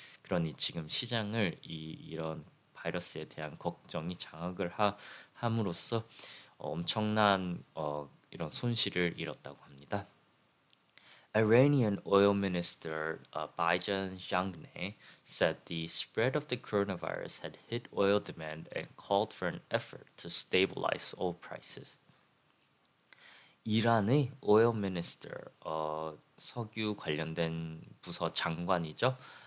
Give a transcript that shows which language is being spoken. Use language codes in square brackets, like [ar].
[ko] 그러니 지금 시장을 이런 바이러스에 대한 걱정이 장악을 함으로써 엄청난 이런 손실을 잃었다고 합니다. [en] Iranian oil minister Bayjan Zhangneh said the spread of the coronavirus had hit oil demand and called for an effort to stabilize oil prices. [ko] 이란의 오일 미니스터, 석유 관련된 부서 장관이죠.